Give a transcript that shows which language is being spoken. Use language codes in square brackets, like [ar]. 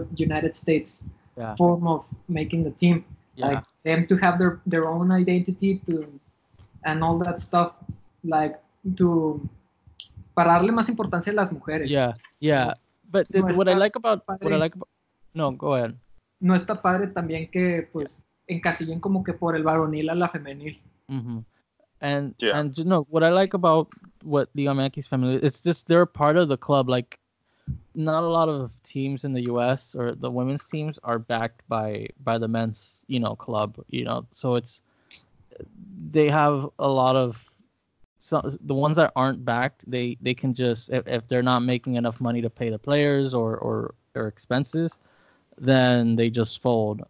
[en] United States form of making the team, like them to have their own identity to and all that stuff, like to [es] para darle más importancia a las mujeres. [en] But what I like about no, go ahead. [es] No está padre también que pues encasillen como que por el varonil a la femenil. [en] And you know what I like about what the Yamakis family, it's just they're a part of the club. Like, not a lot of teams in the U.S. or the women's teams are backed by the men's, you know, club, you know, so it's they have a lot of the ones that aren't backed, they can just if they're not making enough money to pay the players or expenses, then they just fold.